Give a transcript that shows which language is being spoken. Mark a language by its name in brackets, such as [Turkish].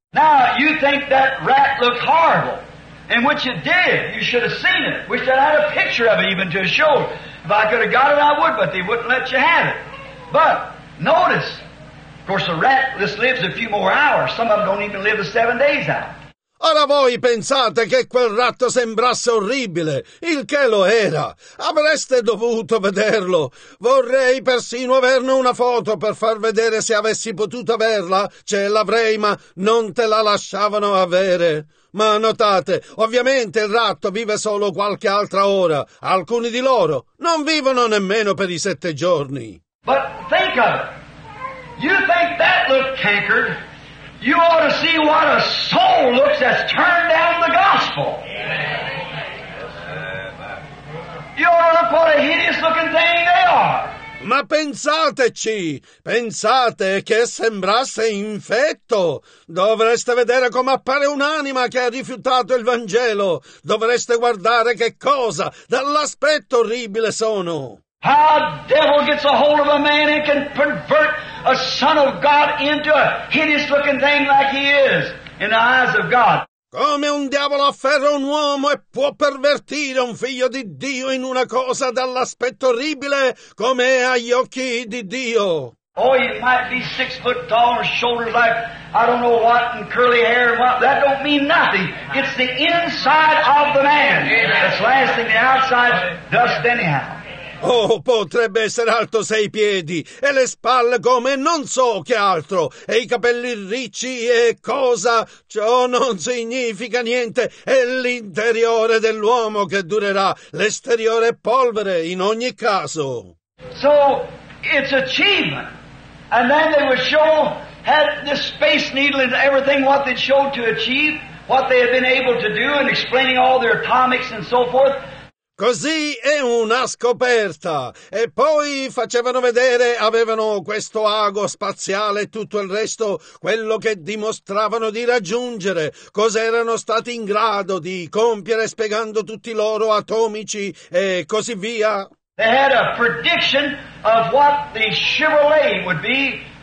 [English] Now, you think that rat looked horrible. And which it did. You should have seen it. Wish I had a picture of it even to show. If I could have got it, I would, but they wouldn't let you have it. But, notice, of course, the rat just lives a few more hours. Some of them don't even live the 7 days out. [Italian] Ora voi pensate che quel ratto sembrasse orribile, il che lo era. Avreste dovuto vederlo. Vorrei persino averne una foto per far vedere se avessi potuto averla. Ce l'avrei, ma non te la lasciavano avere. Ma notate, ovviamente il ratto vive solo qualche altra ora. Alcuni di loro non vivono nemmeno per i 7 giorni. [English] But think of it. You think that looked cankered? You ought to see what a soul looks that's turned down the gospel. You ought to look what a hideous looking thing they are. [Italian] Ma pensateci, pensate che sembrasse infetto. Dovreste vedere come appare un'anima che ha rifiutato il Vangelo. Dovreste guardare che cosa, dall'aspetto orribile sono. [English] How the devil gets a hold of a man and can pervert a son of God into a hideous looking thing like he is. in the eyes of God. [Italian] Come un diavolo afferra un uomo e può pervertire un figlio di Dio in una cosa dall'aspetto orribile come è agli occhi di Dio. [English] Oh, he might be 6 foot tall and shoulders like I don't know what and curly hair and what. That don't mean nothing. It's the inside of the man that's lasting. The outside dust anyhow. [Italian] Oh, potrebbe essere alto 6 piedi, e le spalle come non so che altro, e i capelli ricci e cosa, ciò non significa niente, è l'interiore dell'uomo che durerà, l'esteriore polvere in ogni caso. [English] So, it's achievement, and then they would show, had this space needle and everything, what they showed to achieve, what they had been able to do, and explaining all their atomics and so forth. [Italian] Così è una scoperta. E poi facevano vedere, avevano questo ago spaziale e tutto il resto, quello che dimostravano di raggiungere, cosa erano stati in grado di compiere spiegando tutti i loro atomici e così via. [English] They had a prediction of what the Chevrolet would be.